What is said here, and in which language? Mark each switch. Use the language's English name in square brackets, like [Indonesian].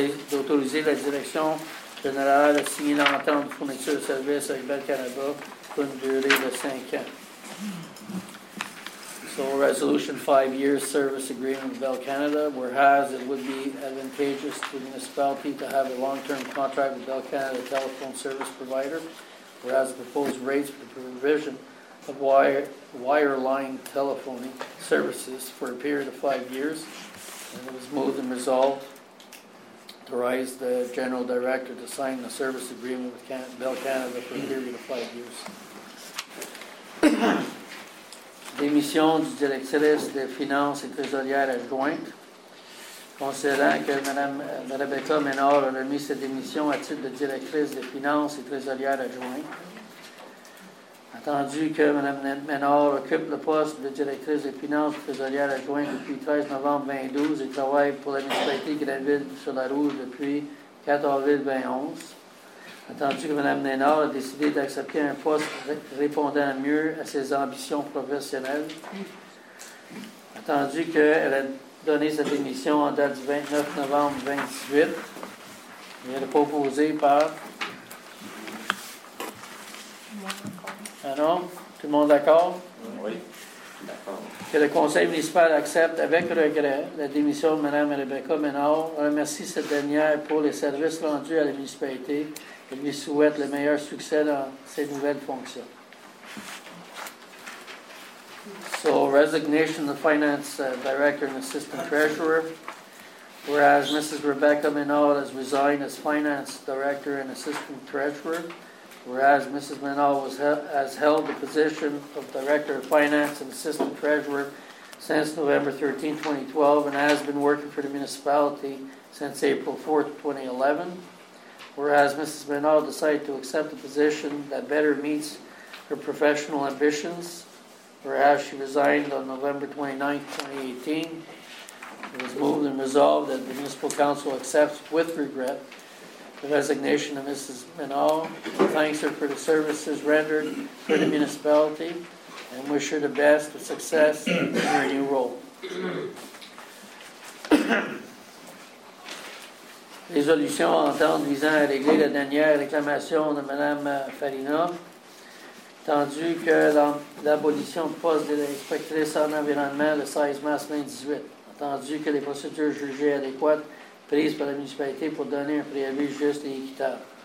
[French] D'autoriser la direction générale à signer l'entente de fourniture de services avec Belle Canada pour une durée de 5 ans. [English] So, resolution 5-year service agreement with Belle Canada, whereas it would be advantageous to the municipality to have a long-term contract with Belle Canada telephone service provider, whereas the proposed rates for the provision of wireline telephony services for a period of 5 years, and it was moved and resolved to authorize the general director to sign the service agreement with Bell Canada for a period of 5 years. [French] Démission du directrice des finances et trésorières adjointe. Considérant que Mme Rebecca Ménard a remis sa démission à titre de directrice des finances et trésorières adjointe. Attendu que Mme Ménard occupe le poste de directrice des finances trésorières adjointe depuis 13 novembre 2012 et travaille pour la municipalité de Grenville-sur-la-Rouge depuis 14-2011. Attendu que Mme Ménard a décidé d'accepter un poste répondant mieux à ses ambitions professionnelles. Attendu qu'elle a donné sa démission en date du 29 novembre 2018. Elle est proposée par... Ah non? Tout le monde d'accord? Oui. D'accord. Que le conseil municipal accepte avec regret la démission de Mme Rebecca Ménard. On remercie cette dernière pour les services rendus à la municipalité et lui souhaite le meilleur succès dans ses nouvelles fonctions. [English] So, resignation of the finance director and assistant treasurer. Whereas Mrs. Rebecca Ménard has resigned as finance director and assistant treasurer. Whereas Mrs. Ménard has held the position of Director of Finance and Assistant Treasurer since November 13, 2012 and has been working for the municipality since April 4, 2011. Whereas Mrs. Ménard decided to accept the position that better meets her professional ambitions, whereas she resigned on November 29, 2018. It was moved and resolved that the Municipal Council accepts with regret the resignation of Mrs. Minow, thanks her for the services rendered for the municipality, and wish her the best of success in her new role. [French] Résolution entente visant à régler la dernière réclamation de Mme Farina, tandis que l'abolition du poste de l'inspectrice en environnement le 16 mars 2018. Tandis que les procédures jugées adéquates prises par la municipalité pour donner un préavis juste et équitable.